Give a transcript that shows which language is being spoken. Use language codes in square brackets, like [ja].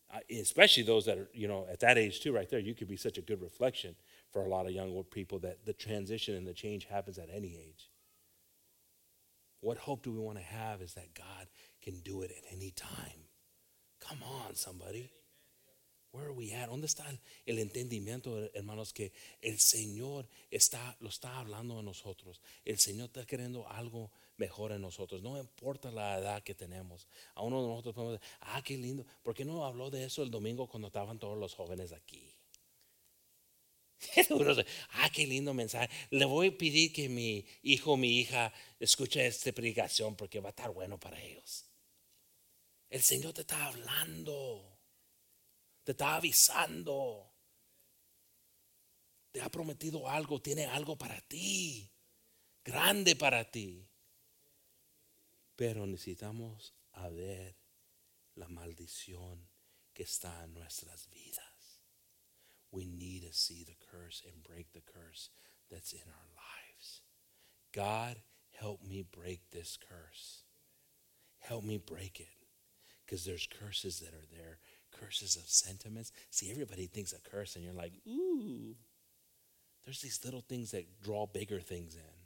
[en] Especially those that are, you know, at that age too, right there, you could be such a good reflection for a lot of young people that the transition and the change happens at any age. What hope do we want to have is that God can do it at any time. Come on, somebody. Where are we at? [es] ¿Dónde está el entendimiento, hermanos, que el Señor lo está hablando a nosotros? El Señor está queriendo algo mejor en nosotros. No importa la edad que tenemos. A uno de nosotros podemos decir, ah, qué lindo. ¿Por qué no habló de eso el domingo cuando estaban todos los jóvenes aquí? Uno dice, ah, qué lindo mensaje. Le voy a pedir que mi hijo o mi hija escuche esta predicación porque va a estar bueno para ellos. El Señor te está hablando. Te está avisando. Te ha prometido algo. Tiene algo para ti. Grande para ti. Pero necesitamos a ver la maldición que está en nuestras vidas. [en] We need to see the curse and break the curse that's in our lives. God, help me break this curse. Help me break it. Because there's curses that are there. Curses of sentiments. See, everybody thinks a curse and you're like, ooh. There's these little things that draw bigger things in.